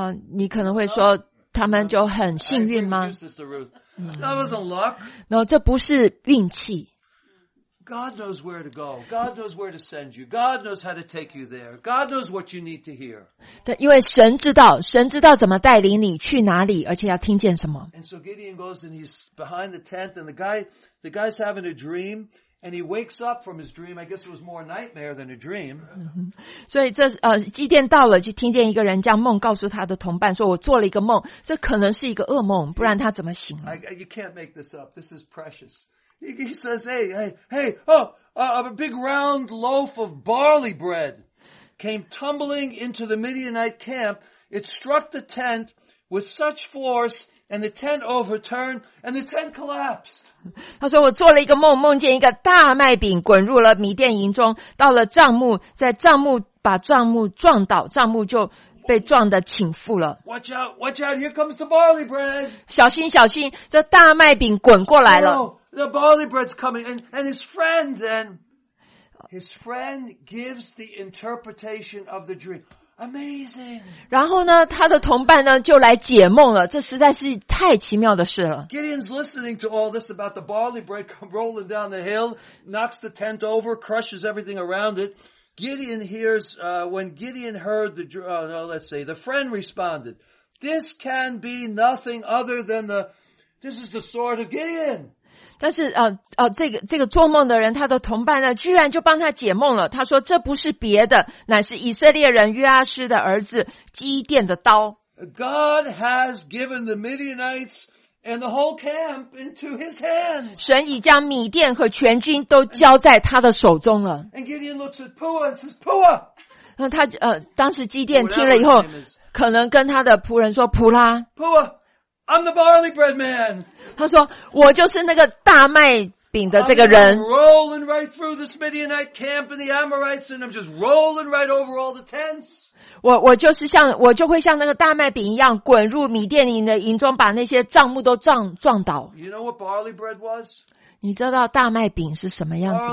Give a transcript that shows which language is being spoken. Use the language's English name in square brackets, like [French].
[Chinese] 你可能会说他们就很幸运吗 [English] ？Sister Ruth, that wasn't luck. [Chinese] No, 这不是运气。 [English] God knows where to go. God knows where to send you. God knows how to take you there. God knows what you need to hear. [Chinese] 对，因为神知道，神知道怎么带领你去哪里，而且要听见什么。 [English] And so Gideon goes and he's behind the tent, and the guy's having a dream, and he wakes up from his dream. I guess it was more a nightmare than a dream. [Chinese] 所以这基甸到了，就听见一个人将梦告诉他的同伴，说我做了一个梦，这可能是一个噩梦，不然他怎么醒了？ [English] You can't make this up. This is precious. He says, a big round loaf of barley bread came tumbling into the Midianite camp. It struck the tent with such force, and the tent overturned, and the tent collapsed. [Chinese] 他说我做了一个梦，梦见一个大麦饼滚入了米甸营中，到了帐幕，在帐幕把帐幕撞倒，帐幕就被撞得倾覆了。 [English] Watch out, watch out, here comes the barley bread. [Chinese] 小心，小心，这大麦饼滚过来了。 [English] The barley bread's coming, and his friend gives the interpretation of the dream. Amazing. [Chinese] 然后呢，他的同伴呢就来解梦了。这实在是太奇妙的事了。 [English] Gideon's listening to all this about the barley bread rolling down the hill, knocks the tent over, crushes everything around it. Gideon hears when Gideon heard the the friend responded, "This can be nothing other than this is the sword of Gideon." [Chinese] 但是这个做梦的人，他的同伴呢，居然就帮他解梦了。他说：“这不是别的，乃是以色列人约阿施的儿子基甸的刀。” [English] God has given the Midianites and the whole camp into His hands. [Chinese] 神已将米甸和全军都交在他的手中了。 [English] And Gideon looks at Pua and says, "Pua." [Chinese] 那他当时基甸听了以后，可能跟他的仆人说：“普拉。” [English] Pua. I'm the barley bread man. [Chinese] 他说我就是那个大麦饼的这个人。 [English] I'm rolling right through this Midianite camp and the Amorites, and I'm just rolling right over all the tents. [Chinese] 我就会像那个大麦饼一样滚入米甸营的营中，把那些帐幕都撞倒。 [English] You know what barley bread was? [Chinese] 你知道大麦饼是什么样子吗？